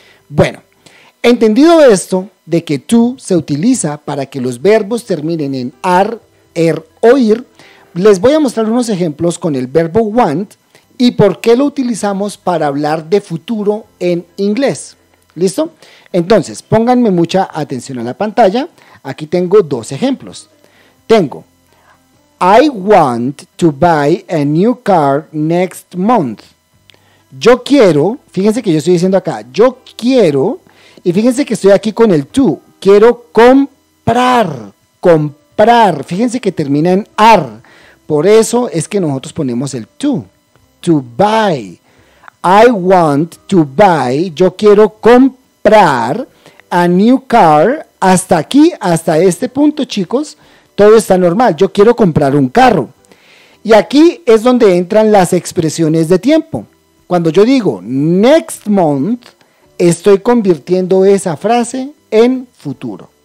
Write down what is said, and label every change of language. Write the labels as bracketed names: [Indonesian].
[Spanish] Bueno, entendido esto de que to se utiliza para que los verbos terminen en ar, er, oír, les voy a mostrar unos ejemplos con el verbo want y por qué lo utilizamos para hablar de futuro en inglés. ¿Listo? Entonces, pónganme mucha atención a la pantalla. Aquí tengo dos ejemplos. [English] Tengo, I want to buy a new car next month. [Spanish] Yo quiero, fíjense que yo estoy diciendo acá, yo quiero, y fíjense que estoy aquí con el to, quiero comprar, comprar. Fíjense que termina en ar. Por eso es que nosotros ponemos el to buy. [English] I want to buy, [Spanish] yo quiero comprar [English] a new car. [Spanish] Hasta aquí, hasta este punto, chicos, todo está normal. Yo quiero comprar un carro. Y aquí es donde entran las expresiones de tiempo. Cuando yo digo next month, estoy convirtiendo esa frase en futuro.